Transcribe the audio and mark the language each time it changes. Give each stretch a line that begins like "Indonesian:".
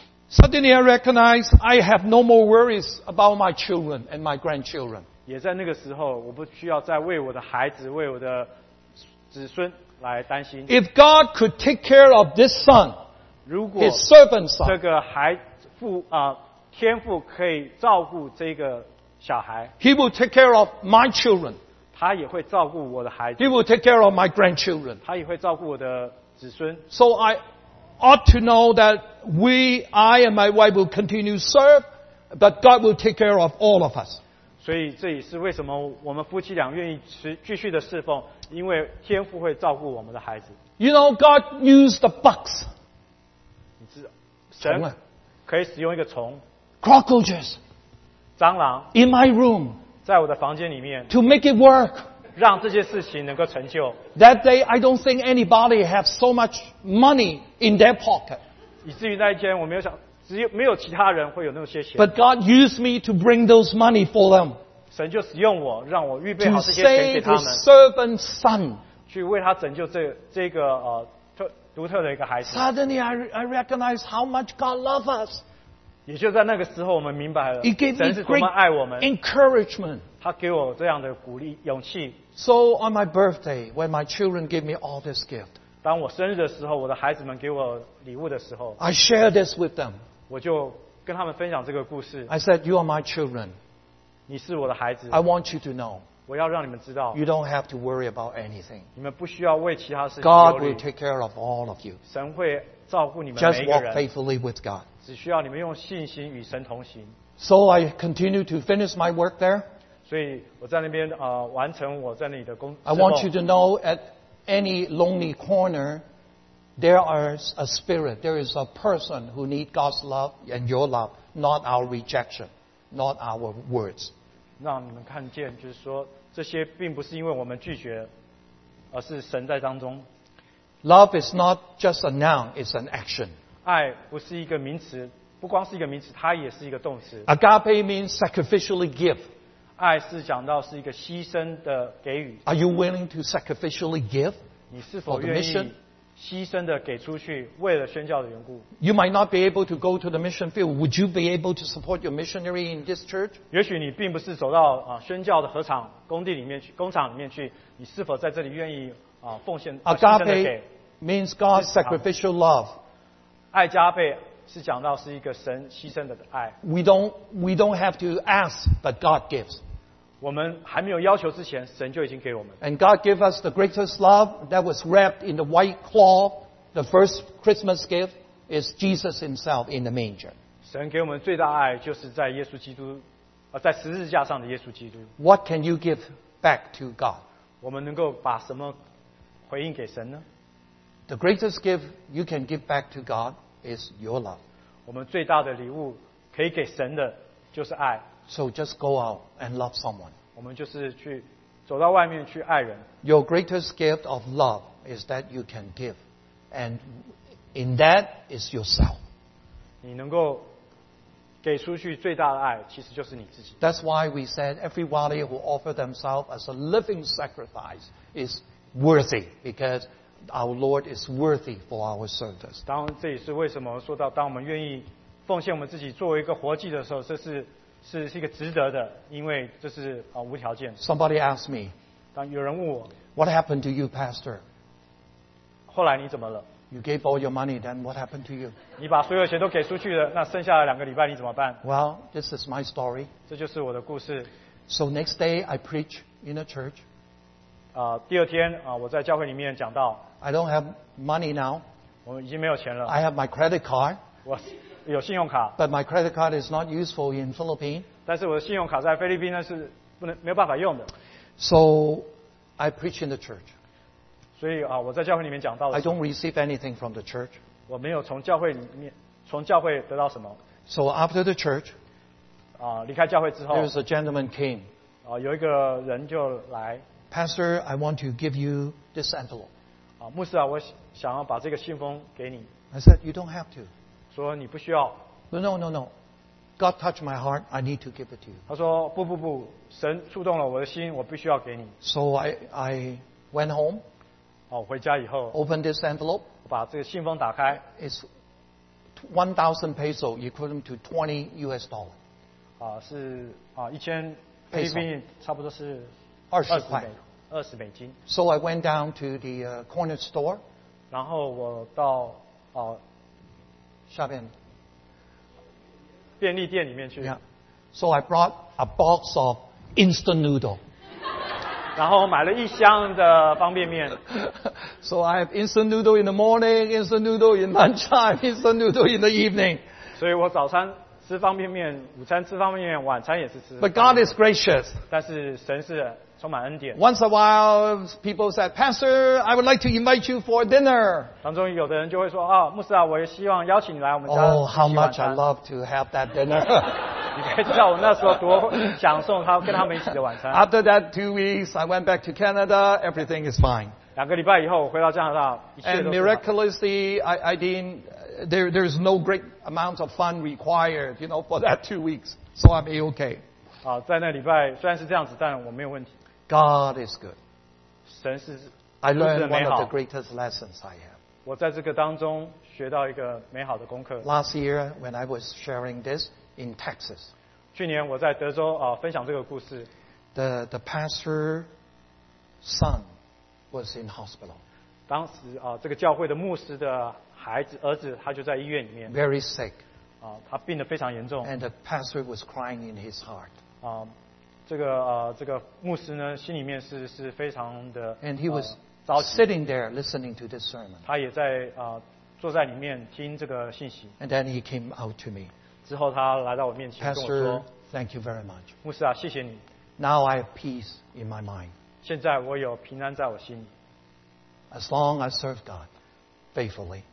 English: suddenly I recognized I have no more worries about my children and my grandchildren.
Chinese: 也在那个时候我不需要再为我的孩子为我的子孙来担心。
English: If God could take care of this son, his servant's son,
Chinese: 天父可以照顾这个小孩。
English: He will take care of my children.
Chinese: 他也会照顾我的孩子。
English: He will take care of my grandchildren.
Chinese: 他也会照顾我的子孙。
English: So I ought to know that I and my wife will continue to serve, but God will take care of all of us.
Chinese: 所以这也是为什么我们夫妻俩愿意继续的侍奉，因为天父会照顾我们的孩子。
English: You know, God used the bugs.
Chinese: 你知道，神可以使用一个虫。
English: Cockroaches.
Chinese: 蟑螂。
English: In my room.
Chinese: 在我的房间里面。
English: To make it work.
Chinese: 让这些事情能够成就。
English: That day, I don't think anybody has so much money in their pocket.
Chinese: 以至于那一天我没有想，只有没有其他人会有那些钱。
English: But God used me to bring those money for them.
Chinese: 神就使用我，让我预备好这些钱给他们。
English: To save his servant's son.
Chinese: 去为他拯救这个独特的一个孩子。
English: Suddenly, I recognize how much God loves us.
Chinese: 也就在那个时候，我们明白了，神是多么爱我们。
English: Encouragement.
Chinese: 他给我这样的鼓励勇气。
English: So on my birthday, when my children gave me all this gift.
Chinese: 当我生日的时候，我的孩子们给我礼物的时候
English: ，I share this with them.
Chinese: 我就跟他们分享这个故事。
English: I said, "You are my children."
Chinese: 你是我的孩子。
English: I want you to know.
Chinese: 我要让你们知道。
English: You don't have to worry about anything.
Chinese: 你们不需要为其他事情忧虑。
English: God will take care of all of you.
Chinese: 神会照顾你们每一个人。
English: Just walk faithfully with God.
Chinese: 只需要你们用信心与神同行。
English: So I continue to finish my work there.
Chinese: 所以我在那边完成我在那里的工作。
English: I want you to know at any lonely corner, there is a spirit, there is a person who needs God's love and your love, not our rejection, not our words.
Chinese: 让你们看见，就是说，这些并不是因为我们拒绝，而是神在当中。
English: Love is not just a noun, it's an action.
Chinese: 爱不是一个名词，不光是一个名词，它也是一个动词。
English: Agape means sacrificially give.
Chinese: 爱是讲到是一个牺牲的给予。
English: Are you willing to sacrificially give?
Chinese: 你是否愿意牺牲的给出去，为了宣教的缘故
English: ？You might not be able to go to the mission field. Would you be able to support your missionary in this church?
Chinese: 也许你并不是走到宣教的合场工地里面去，工厂里面去。你是否在这里愿意奉献牺牲的给
English: ？Agape means God's sacrificial love.
Chinese: 爱加倍。是讲到是一个神牺牲的爱。
English: We don't have to ask, but God gives.
Chinese: 我们还没有要求之前，神就已经给我们。
English: And God gave us the greatest love that was wrapped in the white cloth. The first Christmas gift is Jesus Himself in the manger.
Chinese: 神给我们最大爱就是在耶稣基督，在十字架上的耶稣基督。
English: What can you give back to God?
Chinese: 我们能够把什么回应给神呢
English: ？The greatest gift you can give back to God. Is your love.
Chinese: 我们最大的礼物可以给神的就是爱。
English: So just go out and love someone.
Chinese: 我们就是去走到外面去爱人。
English: Your greatest gift of love is that you can give. And in that is yourself.
Chinese: 你能够给出去最大的爱其实就是你自己。
English: That's why we said everybody who offers themselves as a living sacrifice is worthy because Our Lord is worthy for our service.
Chinese: 当这也是为什么说到，当我们愿意奉献我们自己作为一个活祭的时候，这是一个值得的，因为这是无条件。
English: Somebody asked me.
Chinese: 当有人问我
English: ，What happened to you, Pastor?
Chinese: 后来你怎么了
English: ？You gave all your money, then what happened to you?
Chinese: 你把所有钱都给出去了，那剩下的两个礼拜你怎么办
English: ？Well, this is my story.
Chinese: 这就是我的故事。
English: So next day, I preach in a church.
Chinese: 第二天我在教会里面讲到。
English: I don't have money now.
Chinese: 我已经没有钱了。
English: I have my credit card.
Chinese: 我有信用卡。
English: But my credit card is not useful in Philippines.
Chinese: 但是我的信用卡在菲律宾呢是不能没有办法用的。
English: So I preach in the church.
Chinese: 所以我在教会里面讲到了。
English: I don't receive anything from the church.
Chinese: 我没有从教会得到什么。
English: So after the church,
Chinese: 离开教会之后
English: ，there was a gentleman came.
Chinese: 有一个人就来。
English: Pastor, I want to give you this envelope.
Chinese: 牧师我想要把这个信封给你。
English: I said, you don't have to.
Chinese: 说你不需要。
English: No. God touched my heart, I need to give it to you.
Chinese: 他说不，神触动了我的心，我必须要给你。
English: So I went home.
Chinese: 回家以后。
English: Opened this envelope.
Chinese: 我把这个信封打开。
English: It's 1,000 peso, equivalent to $20.
Chinese: 1,000 菲律宾差不多是 20块。
English: $20. So I went down to the corner store.
Chinese: 然后我到下边便利店里面去。
English: Yeah. So I brought a box of instant noodle.
Chinese: 然后买了一箱的方便面。
English: So I have instant noodle in the morning, instant noodle in lunchtime, instant noodle in the evening.
Chinese: 所以我早餐吃方便面，午餐吃方便面，晚餐也是吃。
English: But God is gracious.
Chinese: 但是神是充满恩典。
English: Once a while, people said, Pastor, I would like to invite you for dinner.
Chinese: 当中有的人就会说，哦，牧师啊，我也希望邀请你来我们家。
English: Oh, how much I love to have that dinner.
Chinese: 你可以知道我那时候多享受他跟他们一起的晚餐。
English: After that 2 weeks, I went back to Canada. Everything is fine.
Chinese: 两个礼拜以后我回到加拿大，一切都。
English: And miraculously, I didn't. There is no great amount of fun required, you know, for that 2 weeks. So I'm A-okay.
Chinese: 好，在那礼拜虽然是这样子，但我没有问题。
English: God is good.
Chinese: 神是。
English: I learned one of the greatest lessons I have.
Chinese: 我在这个当中学到一个美好的功课。
English: Last year when I was sharing this in Texas.
Chinese: 去年我在德州分享这个故事。
English: The pastor's son was in hospital.
Chinese: 当时这个教会的牧师的孩子儿子他就在医院里面
English: very sick
Chinese: 他病得非常严重
English: and the pastor was crying in his heart
Chinese: 这个牧师呢心里面是非常的
English: and he was sitting there listening to this sermon
Chinese: 他也在坐在里面听这个信息
English: and then he came out to me
Chinese: 之后他来到我面前
English: Pastor, thank you very much
Chinese: 牧师啊谢谢你
English: Now I have peace in my mind
Chinese: 现在我有平安在我心里
English: As long as I serve GodFaithfully.